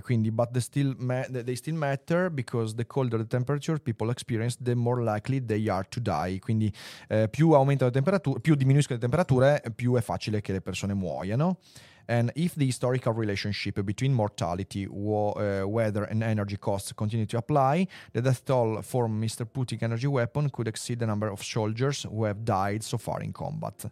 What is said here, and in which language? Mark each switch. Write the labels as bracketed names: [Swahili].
[English] Quindi, but they still matter because the colder the temperature people experience, the more likely they are to die. [Italian] Quindi, più aumentano le temperature, più diminuiscono le temperature, più è facile che le persone muoiano. [English] And if the historical relationship between mortality, weather and energy costs continue to apply, the death toll for Mr. Putin's energy weapon could exceed the number of soldiers who have died so far in combat.